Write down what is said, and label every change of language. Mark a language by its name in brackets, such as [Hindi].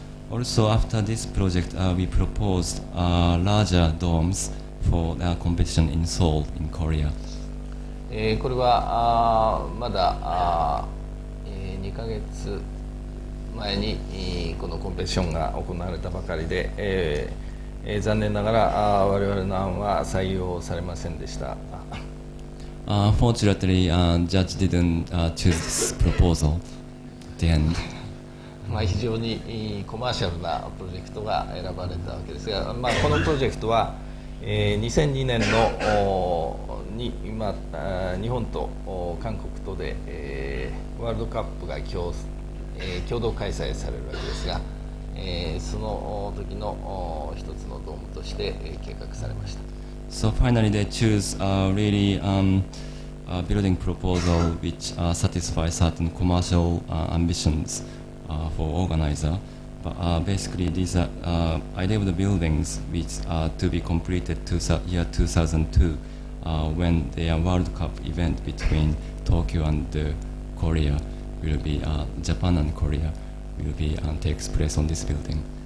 [English] Also, after this project, we proposed larger domes for the competition in Seoul, in Korea. [Japanese] これはまだ2ヶ月前にこのコンペティションが行われたばかりで、残念ながら我々の案は採用されませんでした。 [English] Fortunately, judge didn't choose this proposal. Then, [Japanese] まあ非常にコマーシャルなプロジェクトが選ばれたわけですが、まあこのプロジェクトは2002年のに今日本と韓国とでワールドカップが共同開催されるわけですが、その時の一つのドームとして計画されました。 [English] So finally they choose a really a building proposal which satisfies certain commercial ambitions for organizer. But basically these are idea of the buildings which are to be completed year 2002 when the World Cup event between Tokyo and Korea will be Japan and Korea will be takes place on this building.